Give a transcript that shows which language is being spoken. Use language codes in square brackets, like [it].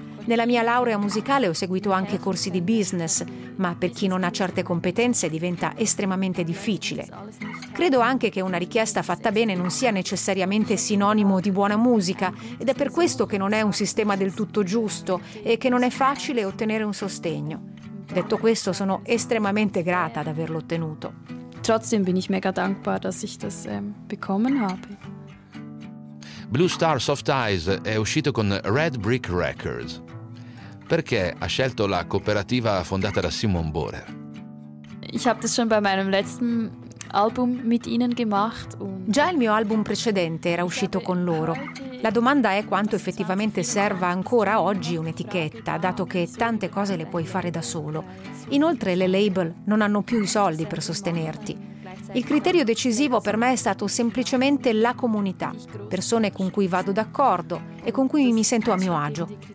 [it] Nella mia laurea musicale ho seguito anche corsi di business, ma per chi non ha certe competenze diventa estremamente difficile. Credo anche che una richiesta fatta bene non sia necessariamente sinonimo di buona musica, ed è per questo che non è un sistema del tutto giusto e che non è facile ottenere un sostegno. Detto questo, sono estremamente grata ad averlo ottenuto. [de] Trotzdem bin ich mega dankbar, dass ich das bekommen habe. [it] Blue Star Soft Eyes è uscito con Red Brick Records. Perché ha scelto la cooperativa fondata da Simon Borer? [de] Ich habe das schon bei meinem letzten Album mit ihnen gemacht. [it] Già il mio album precedente era uscito con loro. La domanda è quanto effettivamente serva ancora oggi un'etichetta, dato che tante cose le puoi fare da solo. Inoltre le label non hanno più i soldi per sostenerti. Il criterio decisivo per me è stato semplicemente la comunità, persone con cui vado d'accordo e con cui mi sento a mio agio.